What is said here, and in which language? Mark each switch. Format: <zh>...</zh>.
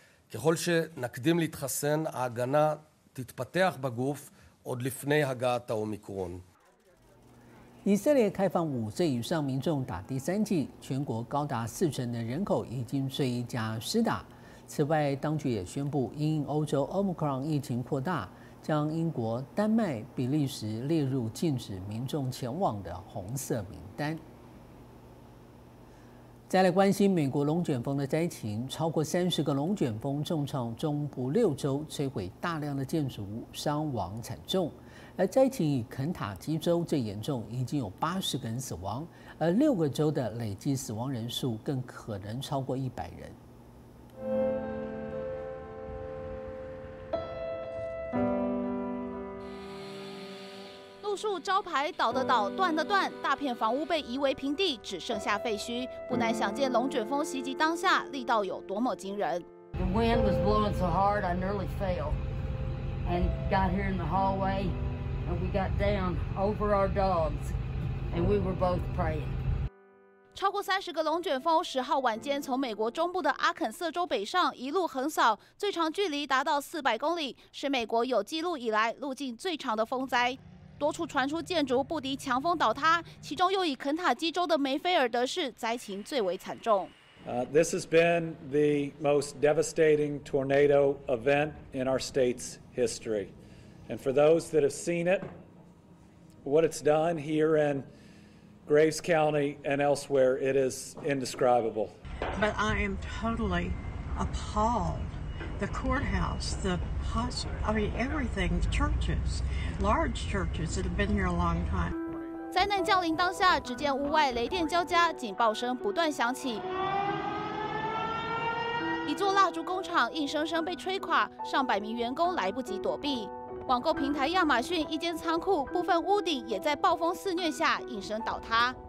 <he>ככל שנקדים להתחסן, ההגנה תתפתח בגוף עוד לפני הגעת האומיקרון.</he> <zh>以色列开放5岁以上民众打第三剂，全国高达40%的人口已经随意加施打。此外，当局也宣布，因欧洲 Omicron 疫情扩大，将英国、丹麦、比利时列入禁止民众前往的红色名单。再来关心美国龙卷风的灾情，超过30个龙卷风重创中部六州，摧毁大量的建筑物，伤亡惨重。而灾情以肯塔基州最严重，已经有80个人死亡，而6个州的累计死亡人数更可能超过100人。路树招牌倒的倒，断的断，大片房屋被夷为平地，只剩下废墟。不难想见龙卷风袭击当下力道有多么惊人。</zh> <en>The wind was blowing so hard, I nearly fell, and got here in the hallway, and we got down over our dogs, and we were both praying.</en> <zh>超过30个龙卷风10号晚间从美国中部的阿肯色州北上，一路横扫，最长距离达到400公里，是美国有记录以来路径最长的风灾。多处传出建筑不敌强风倒塌，其中又以肯塔基州的梅菲尔德市灾情最为惨重。</zh> <en>This has been the most devastating tornado event in our state's history, and for those that have seen it, what it's done here in Graves County and elsewhere, it is indescribable. But I am totally appalled. The courthouse, the hospital, I mean everything, the churches, large churches that have been here a long time.</en> <zh>灾难降临当下，只见屋外雷电交加，警报声不断响起。一座蜡烛工厂硬生生被吹垮，上百名员工来不及躲避。网购平台亚马逊一间仓库部分屋顶也在暴风肆虐下应声倒塌。</zh>